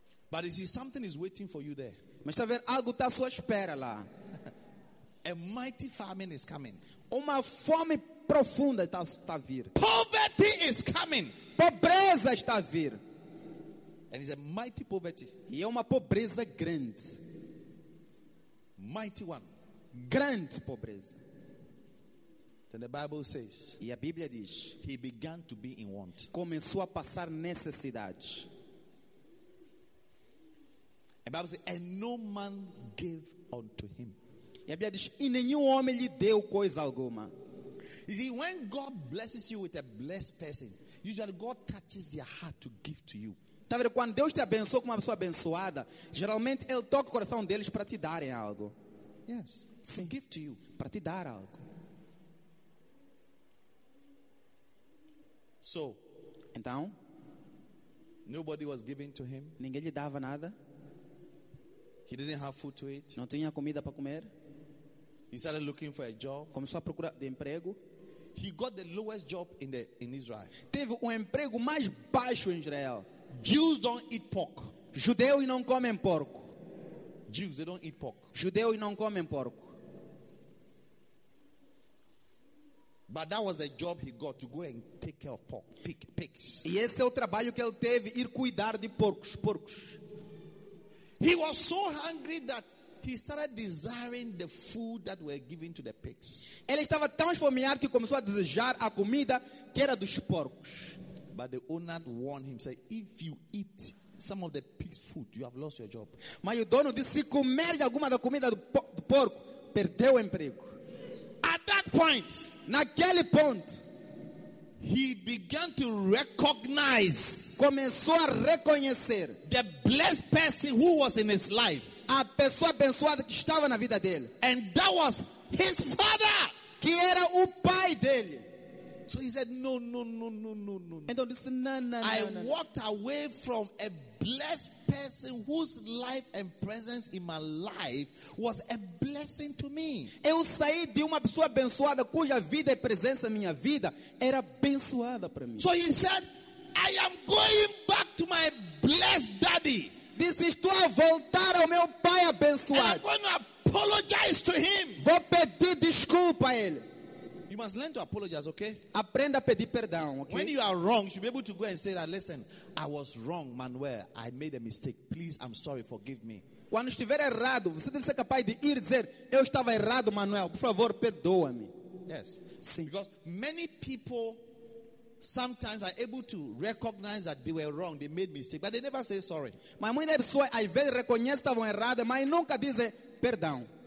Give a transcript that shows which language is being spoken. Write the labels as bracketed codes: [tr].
[en] But you see, something is waiting for you there. [pt] Mas está a ver, algo está à sua espera lá. [en] A mighty famine is coming. [pt] Uma fome profunda está a vir. [en] Poverty is coming. [pt] Pobreza está a vir. [en] And it's a mighty poverty. [pt] E é uma pobreza grande. [en] Mighty one. [pt] Grande pobreza. [en] Then the Bible says, [pt] e a Bíblia diz, [en] he began to be in want. [pt] Começou a passar necessidade. [en] The Bible says, and no man gave unto him. [pt] E a Bíblia diz, e nenhum homem lhe deu coisa alguma. [en] You see, when God blesses you with a blessed person, usually God touches their heart to give to you. [pt] Tá vendo? Quando Deus te abençoa com uma pessoa abençoada, geralmente Ele toca o coração deles para te darem algo. [en] Yes. [pt] Sim. [en] Give to you. [pt] Para te dar algo. [en] So, [pt] então, [en] nobody was giving to him. [pt] Ninguém lhe dava nada. [en] He didn't have food to eat. [pt] Não tinha comida para comer. [en] He started looking for a job. [pt] Começou a procurar de emprego. [en] He got the lowest job in Israel. [pt] Teve emprego mais baixo em Israel. [en] Jews don't eat pork. [pt] Judeus não comem porco. [en] Jews, they don't eat pork. [pt] Judeus não comem porco. [en] But that was the job he got, to go and take care of pork, pigs. [pt] E esse é o trabalho que ele teve, ir cuidar de porcos. [en] He was so hungry that he started desiring the food that were given to the pigs. [pt] Ele estava tão esfomeado que começou a desejar a comida que era dos porcos. [en] But the owner warned him, said, if you eat some of the pigs' food, you have lost your job. [pt] Mas o dono disse, se comer alguma da comida do porco, perdeu o emprego. [en] At that point, [pt] Naquele ponto, [en] he began to recognize, [pt] começou a reconhecer, [en] the blessed person who was in his life, [pt] a pessoa abençoada que estava na vida dele, [en] and that was his father, [pt] que era o pai dele. [en] So he said, no. [pt] Então disse, não. [en] I walked away from a blessed person whose life and presence in my life was a blessing to me. [pt] Eu saí de uma pessoa abençoada cuja vida e presença na minha vida era abençoada para mim. [en] So he said, I am going back to my blessed daddy. [pt] Disse, estou a voltar ao meu pai abençoado. [en] I'm going to apologize to him. [pt] Vou pedir desculpa a ele. [en] You must learn to apologize, okay? [pt] Aprenda a pedir perdão, okay? [en] When you are wrong, you should be able to go and say that, listen, I was wrong, Manuel. I made a mistake. Please, I'm sorry, forgive me. [pt] Quando estiver errado, você deve ser capaz de ir dizer, eu estava errado, Manuel. Por favor, perdoa-me. [en] Yes. [pt] Sim. [en] Because many people sometimes are able to recognize that they were wrong, they made a mistake, but they never say sorry. [pt] Mas muitas pessoas, às vezes, reconhecem que estavam erradas, mas nunca dizem perdão.